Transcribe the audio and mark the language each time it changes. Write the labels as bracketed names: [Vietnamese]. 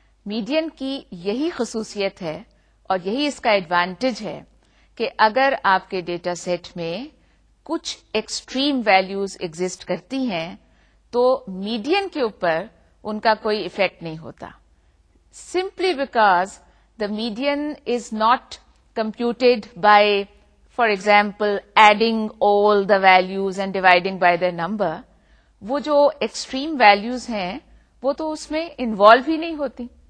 [Urdu] Median کی یہی خصوصیت ہے اور یہی اس کا advantage ہے کہ اگر آپ کے ڈیٹا سیٹ میں کچھ ایکسٹریم ویلیوز ایگزٹ کرتی ہیں تو میڈین کے اوپر ان کا کوئی ایفیکٹ نہیں ہوتا. [English] Simply because the median is not computed by for example adding all the values and dividing by the number. [Urdu] وہ جو ایکسٹریم ویلیوز ہیں وہ تو اس میں انوالو ہی نہیں ہوتی.